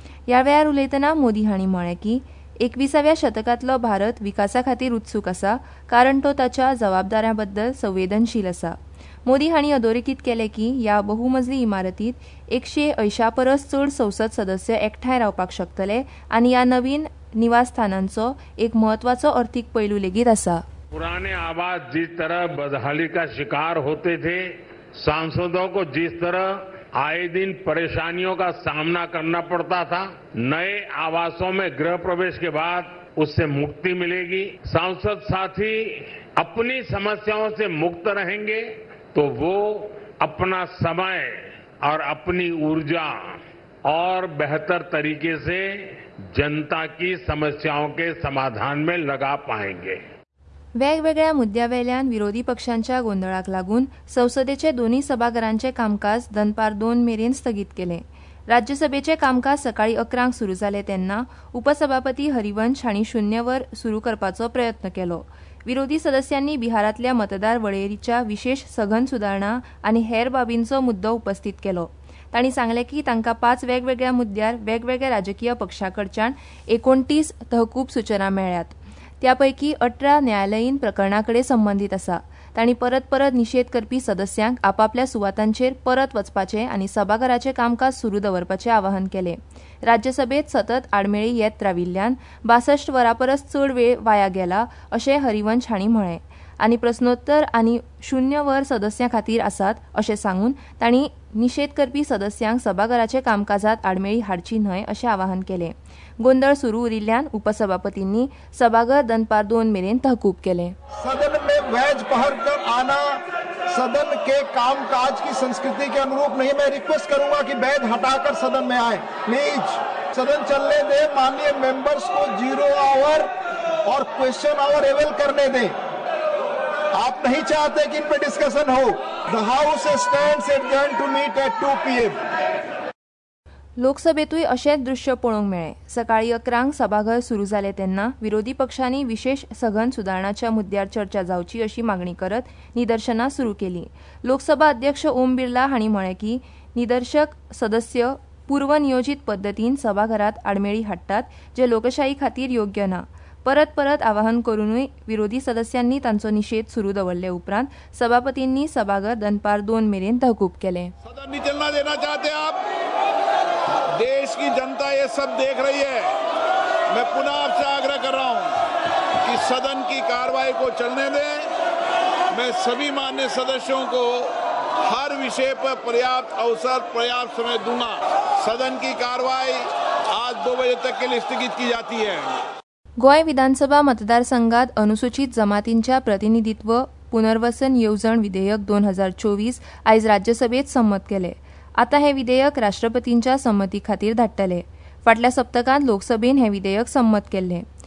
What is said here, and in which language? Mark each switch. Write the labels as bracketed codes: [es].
[gom] ह्या वेळार उलयतना मोदी हांणी म्हळें की 21व्या शतकांतलो भारत विकासा खातीर उत्सूक आसा, कारण तो ताच्या जबाबदाऱ्यां बद्दल संवेदनशील आसा. मोदी हांणी अधोरेखीत केले की ह्या बहुमजली इमारतीत 180 परस चड संसद सदस्य एकठांय रावपाक शकतले आनी ह्या नवीन निवासस्थानांचो एक म्हत्वाचो अर्थीक पैलू लेगीत आसा. [hi] पुराने आवाज जिस तरह बदहाली का शिकार होते थे, सांसदों को जिस तरह आए दिन परेशानियों का सामना करना पड़ता था, नए आवासों में गृह प्रवेश के बाद उससे मुक्ति मिलेगी. सांसद साथी अपनी समस्याओं से मुक्त रहेंगे तो वो अपना समय और अपनी ऊर्जा और बेहतर तरीके से जनता की समस्याओं के समाधान में लगा पाएंगे. [gom] वेगवेगळ्या मुद्द्यावेल्यान विरोधी पक्षांच्या गोंधळाक लागून संसदेचे दोन्ही सभागरांचे कामकाज दनपार 2 मेरेन स्थगित केले. राज्यसभेचे कामकाज सकाळी 11 सुरू झाले तेव्हा उपसभापती हरिवंश हांणी शून्यवर सुरू करपाचो प्रयत्न केलो. विरोधी सदस्यांनी बिहारातल्या मतदार वळेरीच्या विशेष सघन सुधारणा आणि हेर बाबींचो मुद्दो उपस्थित केलो. तांणी सांगले की तांकां 5 वेगवेगळ्या मुद्द्यार वेगवेगळ्या राजकीय पक्षाकडच्यान 29 तहकूब सूचना मेळ्ळ्यात. त्यापैकी 18 न्यायालयीन प्रकरणाकडे संबंधित आसा. तांणी परत परत निषेध करपी सदस्यांक आपापल्या सुवातांचेर परत वचपाचे आनी सभाघराचे कामकाज सुरू दवरपाचे आवाहन केले. राज्यसभेत सतत आडमेळी येत राविल्ल्यान 62 वरां परस चड वेळ वाया गेला अशें हरिवंश हांणी म्हळें. आनी प्रस्नोत्तर आनी शून्य वर सदस्यां खातीर आसात अशें सांगून तांणी निषेध करपी सदस्यांक सभाघराचे कामकाजात आडमेळी हाडची न्हय अशें आवाहन केले. गोंधळ सुरू उरिल्ल्यान उपसभापतींनी सभाघर दनपार 2 मेरेन तहकूब केले. [hi] सदन में वैज पहर कर आना सदन के कामकाज की संस्कृति के अनुरूप नहीं. मैं रिक्वेस्ट करूंगा कि वैज हटाकर सदन में आए. प्लीज सदन चलने दे, माननीय मेंबर्स को 0 आवर और क्वेश्चन आवर अवेल करने दे. आप नहीं चाहते कि इन पे डिस्कशन हो. [en] The house stands adjourned to meet at 2 PM. [gom] लोकसभेतूय अशेंच दृश्य पळोवंक मेळ्ळें. सकाळी 11 सभाघर सुरू जालें तेन्ना विरोधी पक्षांनी विशेष सघन सुदारणाच्या मुद्द्यार चर्चा जावची अशी मागणी करत निदर्शनां सुरू केली. लोकसभा अध्यक्ष ओम बिर्ला हांणी म्हळें की निदर्शक सदस्य पूर्वनियोजीत पद्दतीन सभाघरांत आडमेळी हाडटात, जे लोकशाही खातीर योग्य ना. परत परत आवाहन करूनय विरोधी सदस्यांनी तांचो निषेध सुरू दवरले उपरांत सभापतींनी सभाघर दनपार 2 मेरेन तहकूब केले. [hi] देश की जनता ये सब देख रही है. मैं पुनः आपसे आग्रह कर रहा हूं कि सदन की कार्रवाई को चलने दें. मैं सभी माननीय सदस्यों को हर विषय पर पर्याप्त अवसर पर्याप्त समय दूंगा. सदन की कार्रवाई आज 2 बजे तक के लिए स्थगित की जाती है. [gom] गोय विधानसभा मतदारसंघात अनुसूचित जमातींच्या प्रतिनिधित्व पुनर्वसन योजन विधेयक 2024 आज राज्यसभेत संमत केले. आता हे विधेयक राष्ट्रपतींच्या संमती खातीर धाडटले. फाटल्या सप्तकांत लोकसभेन हे विधेयक संमत केल्ले.